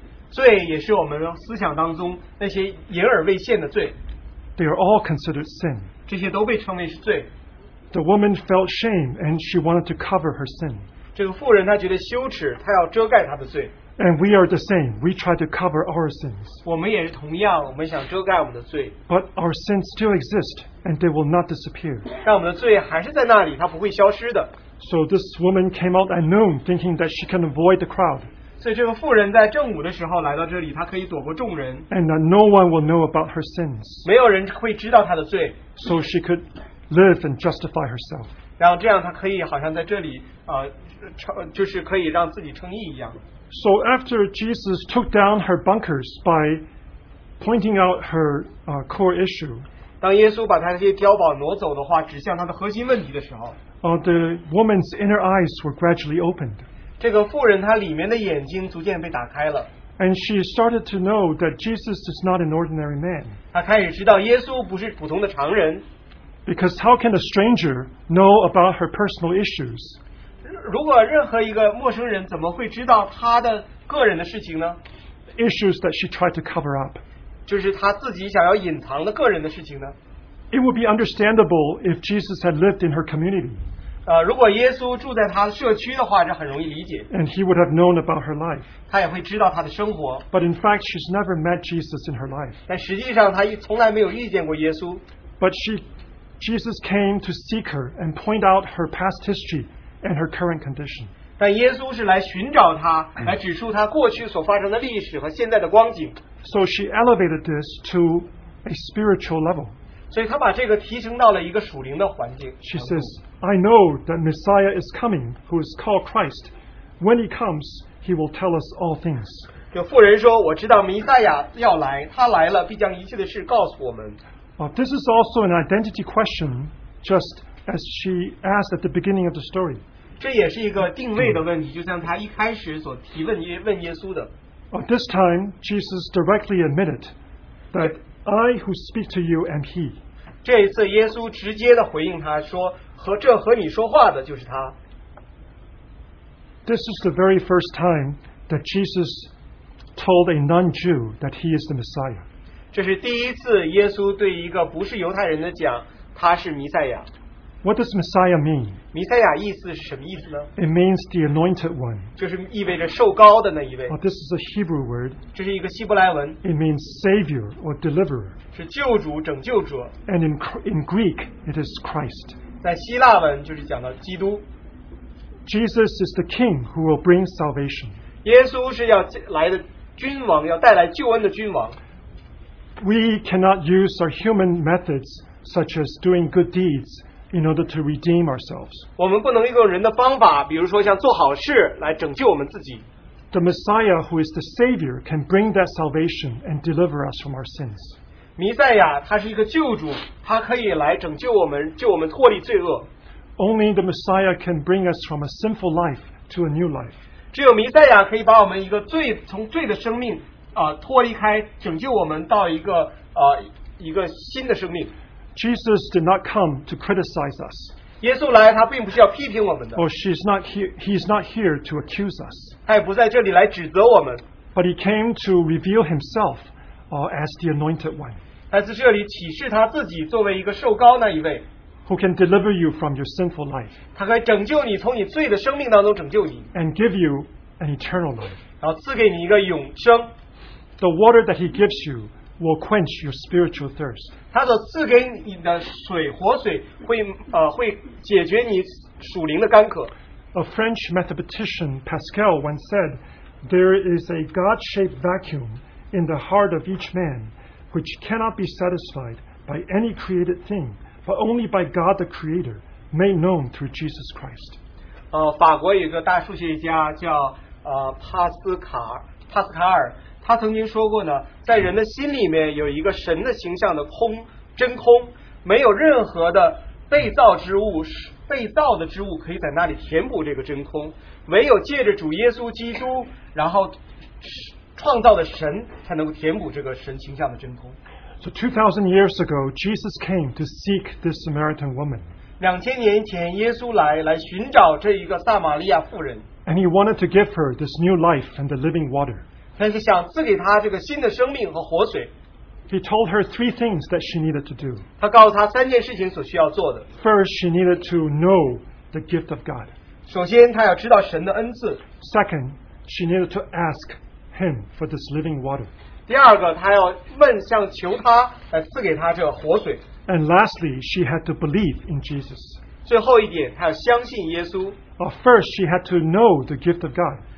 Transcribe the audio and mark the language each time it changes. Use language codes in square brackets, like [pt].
[zh] 罪也是我们思想当中那些隐而未现的罪。 [en] They are all considered sin. [zh] 这些都被称为是罪。 [en] The woman felt shame and she wanted to cover her sin. [zh] 这个妇人她觉得羞耻，她要遮盖她的罪。 [en] And we are the same. We try to cover our sins. [zh] 我们也是同样，我们想遮盖我们的罪。 [en] But our sins still exist, and they will not disappear. [zh] 但我们的罪还是在那里，它不会消失的。 [en] So this woman came out at noon, thinking that she can avoid the crowd. [zh] 所以这个妇人在正午的时候来到这里，她可以躲过众人。 [en] And that no one will know about her sins. [zh] 没有人会知道她的罪。 [en] So she could live and justify herself. [zh] 然后这样她可以好像在这里，就是可以让自己称义一样。 [en] So after Jesus took down her bunkers by pointing out her core issue, [zh] 当耶稣把他那些碉堡挪走的话，指向他的核心问题的时候， [en] The woman's inner eyes were gradually opened. [zh] 这个妇人她里面的眼睛逐渐被打开了。 [en] And she started to know that Jesus is not an ordinary man. [zh] 她开始知道耶稣不是普通的常人。 [en] Because how can a stranger know about her personal issues? [zh] 如果任何一个陌生人怎么会知道他的个人的事情呢？ [en] Issues that she tried to cover up. [zh] 就是他自己想要隐藏的个人的事情呢？ [en] It would be understandable if Jesus had lived in her community. [zh] 如果耶稣住在他社区的话，这很容易理解。 [en] And he would have known about her life. [zh] 他也会知道他的生活。 [en] But in fact, she's never met Jesus in her life. [zh] 但实际上他从来没有遇见过耶稣。 [en] But Jesus came to seek her and point out her past history and her current condition. [zh] 但耶稣是来寻找她，来指出她过去所发生的历史和现在的光景。 [en] So she elevated this to a spiritual level. [zh] 所以她把这个提升到了一个属灵的环境。 [en] She says, I know that Messiah is coming, who is called Christ. When he comes, he will tell us all things. [zh] 就妇人说，我知道弥赛亚要来，他来了必将一切的事告诉我们。 [en] This is also an identity question, just as she asked at the beginning of the story. [zh] 这也是一个定位的问题，就像她一开始所提问问耶稣的。 [en] This time, Jesus directly admitted that I who speak to you am He. [zh] 这一次，耶稣直接的回应她说，和这和你说话的就是他。 [en] This is the very first time that Jesus told a non-Jew that He is the Messiah. [zh] 这是第一次耶稣对一个不是犹太人的讲，他是弥赛亚。 [en] What does Messiah mean? [zh] 弥赛亚意思是什么意思呢？ [en] It means the anointed one. [zh] 就是意味着受膏的那一位。 [en] This is a Hebrew word. [zh] 这是一个希伯来文。 [en] It means savior or deliverer. [zh] 是救主，拯救者。 [en] And in Greek, it is Christ. [zh] 在希腊文就是讲到基督。 [en] Jesus is the king who will bring salvation. [zh] 耶稣是要来的君王，要带来救恩的君王。 [en] We cannot use our human methods, such as doing good deeds, in order to redeem ourselves. [zh] 我们不能用人的方法，比如说像做好事来拯救我们自己。 [en] The Messiah, who is the Savior, can bring that salvation and deliver us from our sins. [zh] 弥赛亚，他是一个救主，他可以来拯救我们，救我们脱离罪恶。 [en] Only the Messiah can bring us from a sinful life to a new life. [zh] 只有弥赛亚可以把我们一个罪从罪的生命。脱离开拯救我们到一个一个新的生命。 [en] Jesus did not come to criticize us. [zh] 耶稣来，他并不是要批评我们的。 [en] Or he is not here to accuse us. [zh] 他也不在这里来指责我们。 [en] But he came to reveal himself, as the anointed one. [zh] 他在这里启示他自己作为一个受膏那一位。 [en] Who can deliver you from your sinful life? [zh] 他可以拯救你从你罪的生命当中拯救你。 [en] And give you an eternal life. [zh] 然后赐给你一个永生。 [en] The water that he gives you will quench your spiritual thirst. [zh] 他所赐给你的水，活水，会解决你属灵的干渴。 [en] A French mathematician Pascal once said, "There is a God-shaped vacuum in the heart of each man, which cannot be satisfied by any created thing, but only by God the Creator, made known through Jesus Christ." [zh] 法国有一个大数学家叫帕斯卡尔。他曾经说过呢，在人的心里面有一个神的形象的空真空，没有任何的被造的之物可以在那里填补这个真空，唯有借着主耶稣基督然后创造的神才能够填补这个神形象的真空。 [en] So 2,000 years ago, Jesus came to seek this Samaritan woman. [zh] 2,000年前, 耶稣来寻找这一个撒玛利亚妇人。 [en] And he wanted to give her this new life and the living water. [zh] 他是想赐给她这个新的生命和活水。 [en] He told her three things that she needed to do. [zh] 他告诉她三件事情所需要做的。 [en] First, she needed to know the gift of God. [zh] 首先,她要知道神的恩赐。 [en] Second, she needed to ask him for this living water. [zh] 第二个,她要问,向求他,赐给他这个活水。 [en] And lastly, she had to believe in Jesus. [zh] 最后一点,她要相信耶稣。 [en] Well, first, she had to know the gift of God.